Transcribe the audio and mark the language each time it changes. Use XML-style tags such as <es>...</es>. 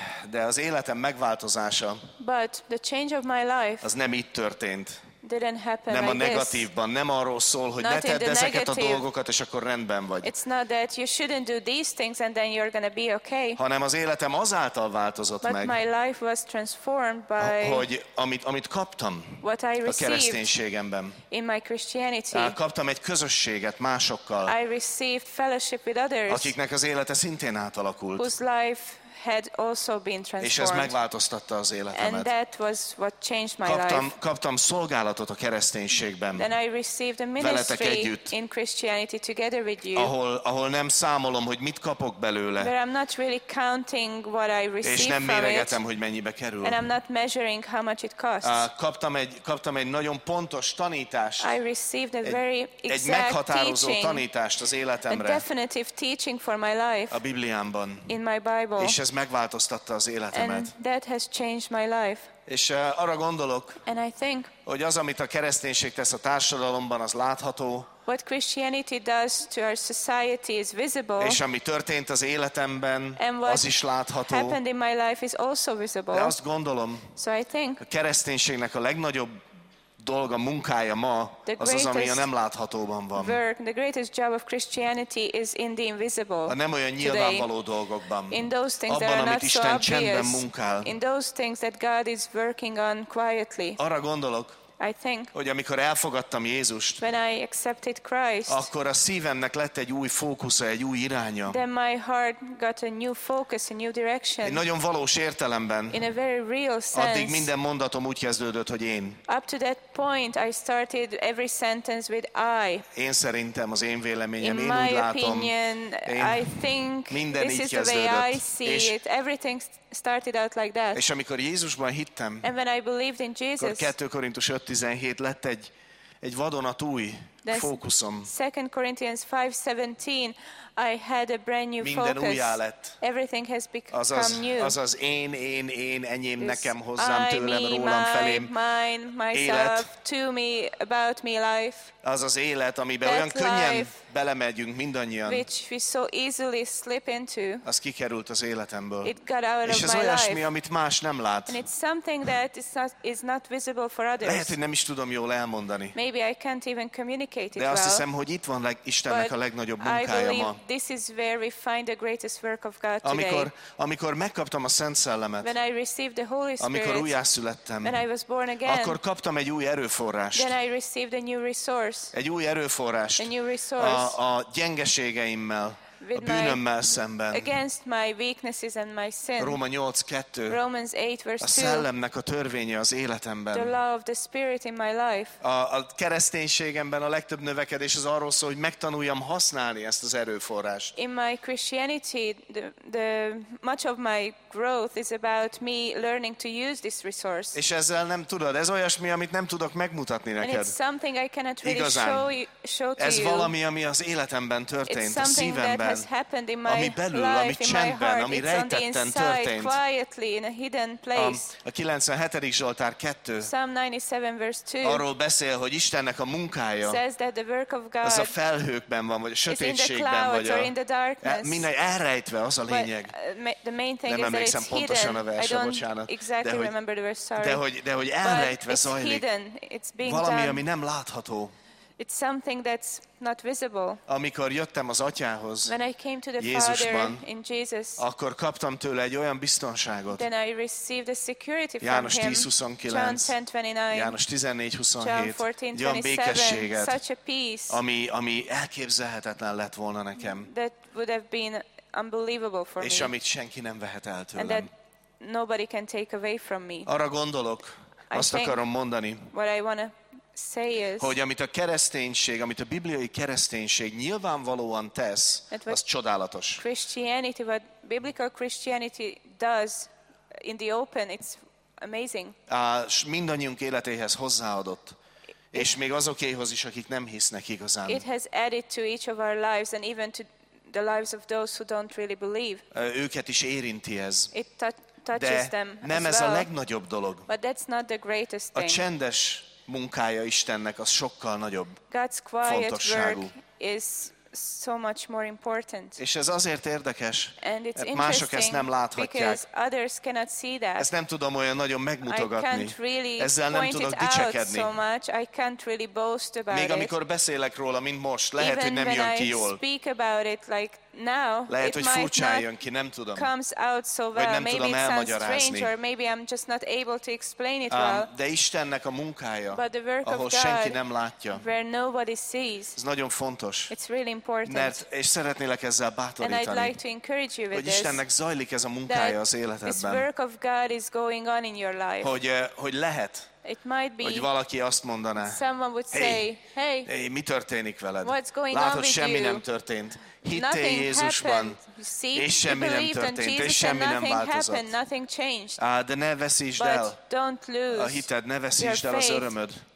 <hu>De az életem megváltozása.</hu> <en>But the change of my life.</en> <hu>Az nem itt történt.</hu> <en>Didn't happen</en> <hu>nem</hu> <en>like</en> <hu>a negatívban,</hu> <en>this.</en> <hu>Nem arról szól, hogy</hu> <en>not</en> <hu>ne tedd ezeket</hu> <en>negative.</en> <hu>A dolgokat, és akkor rendben vagy.</hu> <en>It's not that you shouldn't do these things and then you're gonna be okay.</en> <hu>Hanem az életem azáltal változott</hu> <en>but</en> <hu>meg.</hu> <en>But my life was transformed by</en> <hu>hogy amit kaptam</hu> <en>what I</en> <hu>a kereszténységemben.</hu> <en>In my Christianity.</en> <hu>Kaptam egy közösséget másokkal.</hu> <en>I received fellowship with others.</en> <hu>Akiknek az élete szintén átalakult.</hu> <en>Whose life had also been transformed.</en> <hu>És ez megváltoztatta az életemet.</hu> <en>And that was what changed my life.</en> <hu>Kaptam szolgálatot a kereszténységben.</hu> <en>Then I received a ministry in Christianity together with you.</en> <hu>Ahol nem számolom, hogy mit kapok belőle.</hu> <en>Where I'm not really counting what I receive from it.</en> <hu>És nem méregetem, hogy mennyibe kerül.</hu> <en>And I'm not measuring how much it costs.</en> <hu>Kaptam egy nagyon pontos tanítást.</hu> <en>I received a very exact</en> <hu>egy meghatározó</hu> <en>teaching,</en> <hu>tanítást az életemre.</hu> <en>A definitive teaching for my life.</en> <hu>A Bibliámban.</hu> <en>In my Bible.</en> <hu>És ez megváltoztatta az életemet.</hu> <en>And that has changed my life.</en> <hu>És arra gondolok, hogy az, amit a kereszténység tesz a társadalomban, az látható.</hu> <en>What Christianity does to our society is visible.</en> <hu>És ami történt az életemben, az is látható.</hu> <en>Happened in my life is also visible.</en> <hu>De azt gondolom,</hu> <en>so I think,</en> <hu>a kereszténységnek a legnagyobb dolga, munkája ma, az az, ami a nem láthatóban van.</hu> <en>Work, the greatest job of Christianity is in the invisible.</en> <hu>A nem olyan nyilvánvaló dolgokban.</hu> <en>In those things</en> <hu>abban,</hu> <en>that are</en> <hu>amit</hu> <en>not</en> <hu>Isten</hu> <en>so obvious,</en> <hu>csendben munkál.</hu> <en>In those things that God is working on quietly.</en> <hu>Arra gondolok,</hu> <en>I think,</en> <hu>hogy amikor elfogadtam Jézust,</hu> <en>when I accepted Christ,</en> <hu>akkor a szívemnek lett egy új fókusza, egy új iránya.</hu> <en>Then my heart got a new focus, a new direction.</en> <hu>Egy nagyon valós értelemben.</hu> <en>In a very real sense.</en> <hu>Addig minden mondatom úgy kezdődött, hogy én.</hu> <en>Up to that point, I started every sentence with I.</en> <hu>Én szerintem, az én véleményem,</hu> <en>in</en> <hu>én úgy látom.</hu> <en>Opinion,</en> <hu>én,</hu> <en>I think,</en> <hu>minden</hu> <en>this</en> <hu>így</hu> <en>is</en> <hu>kezdődött.</hu> <en>The way I see it. Everything started out like that.</en> <hu>És amikor Jézusban hittem,</hu> <en>and when I believed in Jesus,</en> <hu>akkor 2 Korintus 5:17 lett egy vadonatúj fókuszom.</hu> <en>2 Corinthians 5:17, I had a brand new</en> <hu>minden</hu> <en>focus.</en> <hu>Újjá lett.</hu> <en>Everything has become</en> <hu>azaz,</hu> <en>new.</en> <hu>Azaz én, enyém,</hu> <en>this</en> <hu>nekem, hozzám, tőlem,</hu> <en>me,</en> <hu>rólam, felém.</hu> <en>Mine, myself,</en> <hu>élet.</hu> <en>To me, about me, life.</en> <hu>Azaz élet, amiben olyan könnyen belemegyünk mindannyian.</hu> <en>Which we so easily slip into.</en> <hu>Az kikerült az életemből.</hu> <en>It got out</en> <hu>és ez</hu> <en>my</en> <hu>olyasmi,</hu> <en>life.</en> <hu>Amit más nem lát.</hu> <en>And it's something that is not visible for others.</en> <hu>Lehet, hogy nem is tudom jól elmondani.</hu> <en>Maybe I can't even communicate it</en> <hu>de</hu> <en>well.</en> <hu>De azt hiszem, hogy itt van Istennek</hu> <en>but</en> <hu>a legnagyobb munkája ma.</hu> <en>This is where we find the greatest work of God today.</en> <hu>Amikor megkaptam a Szent Szellemet,</hu> <en>when I received the Holy Spirit,</en> <hu>amikor újjászülettem,</hu> <en>when I was born again,</en> <hu>akkor kaptam egy új erőforrást.</hu> <en>Then I received a new resource.</en> <hu>Egy új erőforrást.</hu> <en>A new resource.</en> <hu>A gyengeségeimmel, a bűnömmel szemben.</hu> <en>Against my weaknesses and my sin.</en> <hu>Róma 8:2.</hu> <en>Romans 8 verse 2.</en> <hu>A szellemnek a törvénye az életemben.</hu> <en>The law of the spirit in my life.</en> <hu>A kereszténységemben a legtöbb növekedés az arról szól, hogy megtanuljam használni ezt az erőforrást.</hu> <en>In my Christianity, the much of my growth is about me learning to use this resource.</en> <hu>És ezzel nem tudod, ez olyasmi, amit nem tudok megmutatni neked.</hu> <en>And it's something I cannot really show to you.</en> <hu>Ez valami, ami az életemben történt, a szívemben.</hu> <en>Has happened in my</en> <hu>ami belül,</hu> <en>life,</en> <hu>ami csendben,</hu> <en>in my heart,</en> <hu>ami</hu> <en>it's on the inside, quietly, in a hidden place.</en> <hu>A 97. Zsoltár 2,</hu> <en>Psalm 97 verse 2</en> <hu>arról beszél, hogy Istennek a munkája</hu> <en>says that the work of God</en> <hu>az a felhőkben van, vagy a sötétségben, vagy a mindegy elrejtve, az a lényeg.</hu> <en>The main thing</en> <hu>nem</hu> <en>is</en> <hu>emlékszem</hu> <en>that it's</en> <hu>pontosan</hu> <en>hidden.</en> <hu>A versre,</hu> <en>I don't</en> <hu>bocsánat.</hu> <en>Exactly remember the verse, sorry.</en> <hu>De hogy elrejtve zajlik valami,</hu> <en>done.</en> <hu>Ami nem látható.</hu> <en>It's something that's not visible.</en> <hu>Amikor jöttem az atyához,</hu> <en>when I came to the</en> <hu>Jézusban,</hu> <en>Father in Jesus,</en> <hu>akkor kaptam tőle egy olyan biztonságot.</hu> <en>Then I received a security from</en> <hu>János 10:29,</hu> <en>John 10:29,</en> <hu>János 14:27,</hu> <en>John 14:27, such a peace,</en> <hu>ami elképzelhetetlen lett volna nekem.</hu> <en>That would have been unbelievable for</en> <hu>és</hu> <en>me.</en> <hu>Amit senki nem vehet el tőlem.</hu> <en>And that nobody can take away from me.</en> <hu>Arra gondolok, azt akarom mondani,</hu> <en>what I wanna say is,</en> <hu>hogy amit a kereszténység, amit a bibliai kereszténység nyilvánvalóan tesz, az csodálatos.</hu> <en>Christianity, what biblical Christianity does in the open, it's amazing.</en> <hu>És mindannyiunk életéhez hozzáadott, és még azokéhoz is, akik nem hisznek igazán.</hu> <en>It has added to each of our lives and even to the lives of those who don't really believe.</en> <hu>Őket is érinti ez.</hu> <en>It touches them</en> <hu>as nem ez a legnagyobb dolog.</hu> <en>But that's not the greatest thing.</en> <hu>A csendes munkája Istennek az sokkal nagyobb</hu> <en>God's quiet</en> <hu>fontosságú.</hu> <en>Work is so much more important.</en> <hu>És ez azért érdekes, mert mások ezt nem láthatják. Ezt nem tudom olyan nagyon megmutogatni.</hu> <en>I can't really</en> <hu>ezzel</hu> <en>point</en> <hu>nem tudok</hu> <en>it</en> <hu>dicsekedni.</hu> <en>So much. I can't really boast about</en> <hu>még amikor beszélek róla, mint most, lehet,</hu> <en>even</en> <hu>hogy nem jön</hu> <en>I</en> <hu>ki jól.</hu> <en>Speak about it, like now,</en> <hu>lehet,</hu> <en>it</en> <hu>hogy furcsán jön ki, nem tudom.</hu> <en>Comes out so well.</en> <hu>Vagy nem</hu> <en>maybe</en> <hu>tudom</hu> <en>it</en> <hu>elmagyarázni.</hu> <en>Strange, or maybe I'm just not able to explain it well.</en> <hu>De Istennek a munkája,</hu> <en>but the work</en> <hu>ahol</hu> <en>of God,</en> <hu>senki nem látja,</hu> <en>where nobody sees,</en> <hu>ez nagyon fontos.</hu> <en>It's really important.</en> <hu>Mert, és szeretnélek ezzel bátorítani,</hu> <en>and I'd like to encourage you with</en> <hu>hogy Istennek</hu> <en>this,</en> <hu>zajlik ez a munkája az életedben.</hu> <en>This work of God is going on in your life.</en> <hu>Hogy lehet,</hu> <en>it might be,</en> <hu>hogy valaki azt mondaná,</hu> <en>someone would say, hey,</en> <hu>mi történik veled?</hu> <en>What's going</en> <hu>látod,</hu> <en>on with</en> <hu>semmi</hu> <en>you?</en> <hu>Nem történt. Hittél Jézusban, és semmi nem történt, és semmi nem változott. De ne veszítsd el a hited, ne veszítsd el az örömöd.</hu>